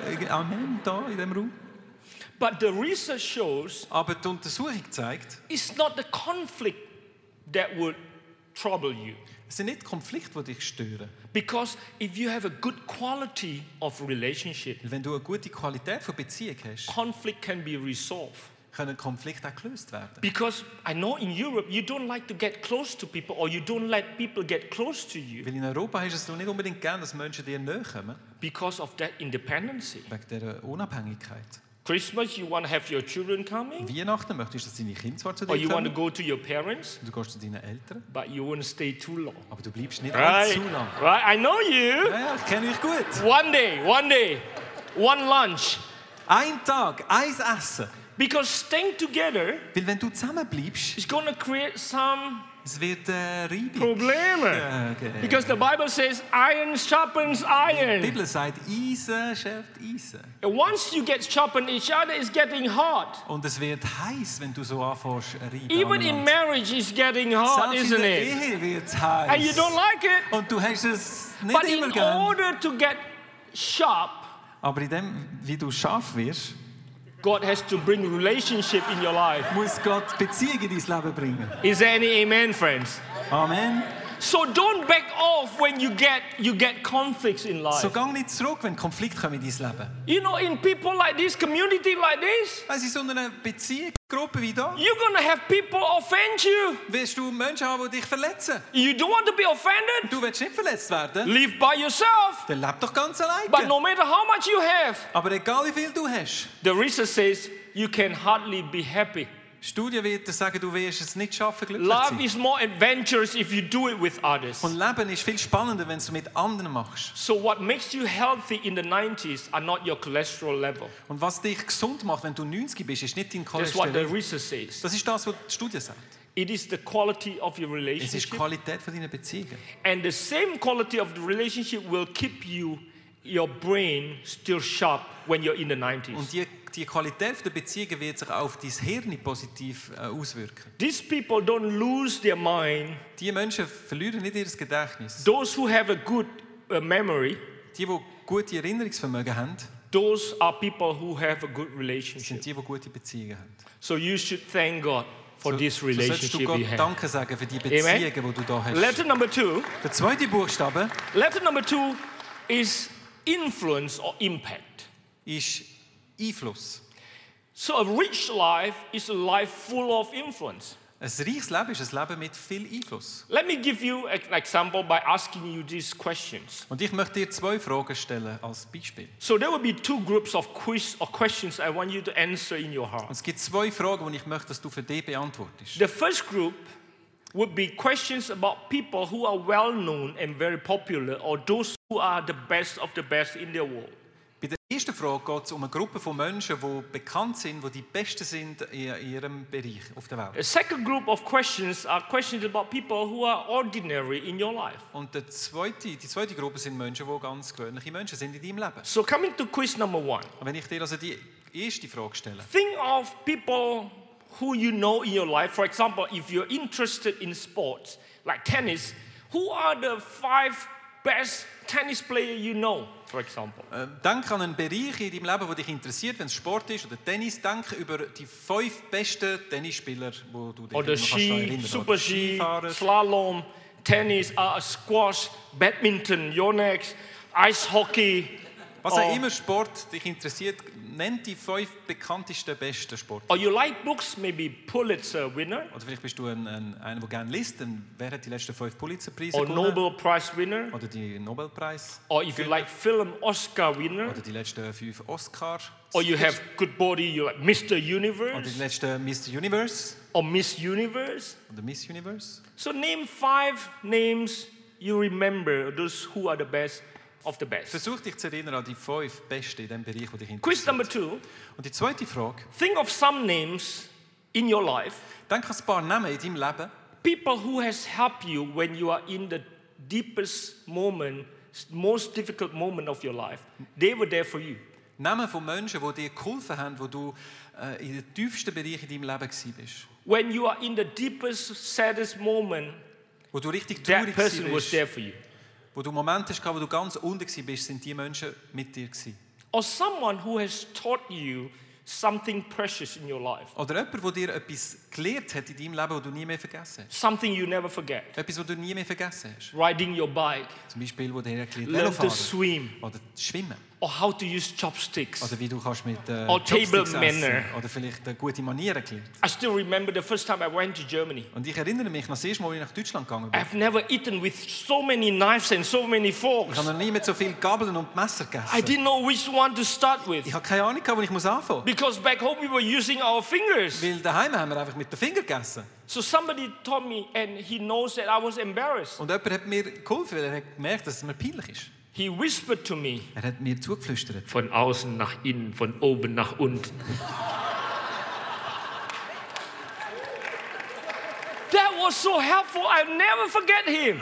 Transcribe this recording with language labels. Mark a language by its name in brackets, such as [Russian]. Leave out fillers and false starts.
[German] Amen da in dem Raum. [English] But the research shows. [German] Aber die Untersuchung zeigt. [English] It's not the conflict that would trouble you. [German] Es sind nicht Konflikte, die dich stören. [English] Because if you have a good quality of relationship. [German] Wenn du eine gute Qualität von Beziehung hast. [English] Conflict can be resolved. [German] Können Konflikte auch gelöst werden. [English] Because I know in Europe you don't like to get close to people or you don't let people get close to you. [German] Weil in Europa hast du es nicht unbedingt gern, dass Menschen dir nahe kommen. [English] Because of that independency. [German] Wegen dieser Unabhängigkeit. [English] Christmas, you want to have your children coming. [German] Weihnachten möchtest du, dass deine Kinder zwar zu dir kommen. [English] Or you want to go to your parents. [German] Du gehst zu deinen Eltern. [English] But you won't stay too long. [German] Aber du bleibst nicht [English] right. [German] Zu lang. [English] Right, I know you. [German] Ja, ich kenne dich gut. [English] One day, one lunch. [German] Ein Tag, eins Essen. [English] Because staying together, [German] weil wenn du zusammen bleibst, [English] is going to create some [German] es wird, Probleme. [English] Okay. Because the Bible says, iron sharpens iron. [German] Die Bibel sagt, Eisen schärft Eisen. [English] And once you get sharpened, each other is getting hot. [German] Und es wird heiß, wenn du so anfängst, reiben. [English] Even in marriage is getting hot, [German] selbst [English] isn't it? [German] In der Ehe wird's heiß. [English] And you don't like it. [German] Und du hast es nicht [English] but [German] immer [English] in [German] gern. [English] Order to get sharp, [German] aber in dem, wie du scharf wirst, [English] God has to bring relationship in your life. [German] Muss Gott Beziehung in dein Leben bringen. [English] Is there any amen, friends? Amen. So don't back off when you get conflicts in life. [German] So gang nicht zurück, wenn Konflikte kommen in dein Leben. [English] You know, in people like this, community like this. [German] Also in so einer Beziehungsgruppe wie da. [English] You're gonna have people offend you. [German] Wirst du Menschen haben, die dich verletzen? [English] You don't want to be offended. [German] Du willst nicht verletzt werden. [English] Live by yourself. [German] Dann leb doch ganz allein. [English] But no matter how much you have. [German] Aber egal wie viel du hast. [English] The research says you can hardly be happy. [German] Studienwerter sagen, du wirst es nicht schaffen, glücklich [English] Love [German] sein. [English] Is more adventurous if you do it with others. [German] Und Leben ist viel spannender, wenn du es mit anderen machst. [English] So what makes you healthy in the 90s are not your cholesterol level. [German] Und was dich gesund macht, wenn du 90 bist, ist nicht dein Cholesterol. [English] That's what the research says. [German] Das ist das, was die Studie sagt. [English] It is the quality of your relationship. [German] Es ist die Qualität von deiner Beziehungen. [English] And the same quality of the relationship will keep you, your brain still sharp when you're in the 90s. [German] Und die Qualität der Beziehungen wird sich auf dein Hirn positiv auswirken. [English] These people don't lose their mind. [German] Die Menschen verlieren nicht ihr Gedächtnis. [English] Those who have a good memory. [German] Die, wo gute Erinnerungsvermögen haben. [English] Those are people who have a good relationship. [German] Sind die, wo gute Beziehungen haben. [English] So you should thank God for [German] so, [English] this relationship. [German] So solltest du Gott Danke sagen für die Beziehungen, wo du da hast. [English] Letter number two. [German] Der zweite Buchstabe. [English] Letter number two is influence or impact. [German] Ist Einfluss. [English] So a rich life is a life full of influence. [German] Ein reiches Leben ist ein Leben mit viel Einfluss. [English] Let me give you an example by asking you these questions. [German] Und ich möchte dir zwei Fragen stellen als Beispiel. [English] So there will be two groups of quiz or questions I want you to answer in your heart. [German] Und es gibt zwei Fragen, die ich möchte, dass du für dich beantwortest. [English] The first group would be questions about people who are well known and very popular or those who are the best of the best in their world. [German] Bei der ersten Frage geht es um eine Gruppe von Menschen, die bekannt sind, die die Besten sind in ihrem Bereich auf der Welt. [English] A second group of questions are questions about people who are ordinary in your life. [German] Und die zweite Gruppe sind Menschen, die ganz gewöhnliche Menschen sind in deinem Leben. [English] So coming to quiz number one. [German] Wenn ich dir also die erste Frage stelle. [English] Think of people who you know in your life. For example, if you're interested in sports, like tennis, who are the five best tennis players you know? [German] Denk an einen Bereich in deinem Leben, der dich interessiert, wenn es Sport ist oder Tennis. Denk über die fünf besten Tennisspieler, die du dich oder Ski, erinnern kannst. Super Ski, Skifahrer. Slalom, Tennis, Squash, Badminton, Yonex, Eishockey. Was auch immer Sport dich interessiert, nenn die fünf bekanntesten, besten Sportler. [English] Or you like books, maybe Pulitzer winner. [German] Oder vielleicht bist du einer, der gerne liest. Dann wer hat die letzten fünf Pulitzerpreise gewonnen? [English] Or Nobel Prize winner. [German] Oder die Nobelpreis. [English] Or if you like film, Oscar winner. [German] Oder die letzten fünf Oscar. [English] Or you have good body, you like Mr. Universe. [German] Oder die letzten Mr. Universe. [English] Or Miss Universe. [German] Oder Miss Universe. [English] So name five names you remember, those who are the best. Of the best. [German] Versuch dich zu erinnern an die fünf Besten in dem Bereich, wo dich interessiert. [English] Quiz number two. [German] Und die zweite Frage. [English] Think of some names in your life. [German] Denk an ein paar Namen in deinem Leben. [English] People who has helped you when you are in the deepest moment, most difficult moment of your life. They were there for you. [German] Namen von Menschen, die dir geholfen haben, wo du in den tiefsten Bereichen in deinem Leben gsi bist. [English] When you are in the deepest, saddest moment, [German] wo du richtig traurig [English] that person was there for you. [German] Wo du Momente hast, wo du ganz unten gsi bist, sind die Menschen mit dir gsi. [English] Or someone who has taught you something precious in your life. [German] Oder öpper, wo dir öppis gelehrt hat in deinem Leben, wo du nie mehr vergessen hast. [English] Something you never forget. [German] Öppis, wo du nie mehr vergessen hast. [English] Riding your bike. [German] Zum Beispiel, wo dir erklärt, Velofahren. [English] Learn to swim. [German] Oder schwimmen. [English] Or how to use chopsticks. [German] Oder wie du kannst mit [English] Or table manner. [German] Oder vielleicht gute Manieren gelernt. [English] I still remember the first time I went to Germany. [German] Und ich erinnere mich noch das erste Mal, als ich nach Deutschland gegangen bin. [English] I've never eaten with so many knives and so many forks. [German] Ich habe noch nie mit so vielen Gabeln und Messer gegessen. [English] I didn't know which one to start with. [German] Ich habe keine Ahnung, wo ich muss anfangen. [English] Because back home we were using our fingers. [German] Weil daheim haben wir einfach mit den Fingern gegessen. [English] So somebody taught me and he knows that I was embarrassed. [German] Und jemand hat mir geholfen, weil er hat gemerkt, dass es mir peinlich ist. [English] He whispered to me. [German] Er hat mir zugeflüstert. Von außen nach innen, von oben nach unten. [English] That was so helpful. I'll never forget him.